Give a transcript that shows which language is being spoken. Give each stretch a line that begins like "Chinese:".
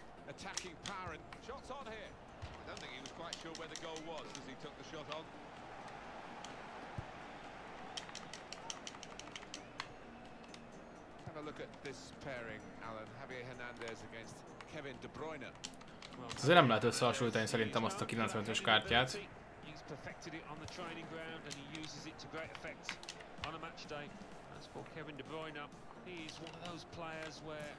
English: Attacking power and shots on here. I don't think he was quite sure where the goal was as he took the shot on. Have a look at this pairing, Alan. Javier Hernandez against Kevin De Bruyne.
Hungarian: Azért nem lehet összehasonlítani szerintem azt a 95-ös kártyát.
English: He's perfected it on the training ground and he uses it to great effect on a match day. As for Kevin De Bruyne, he's one of those players where...